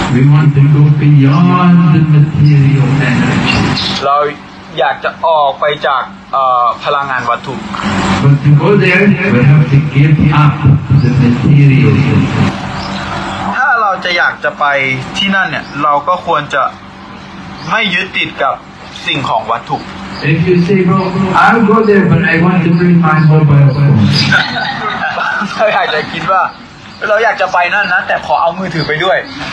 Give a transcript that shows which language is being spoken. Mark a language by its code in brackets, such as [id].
[en] We want to go beyond the material energy [th] เราอยากจะออกไปจากพลังงานวัตถุ [en] But to go there we have to give up the material [th] ถ้าเราจะอยากจะไปที่นั่นเนี่ยเราก็ควรจะไม่ยึดติดกับสิ่งของวัตถุ [en] If you say, bro, I'll go there, but I want to bring my mobile phone. I want to think that we want to go there, but I want to bring my mobile phone.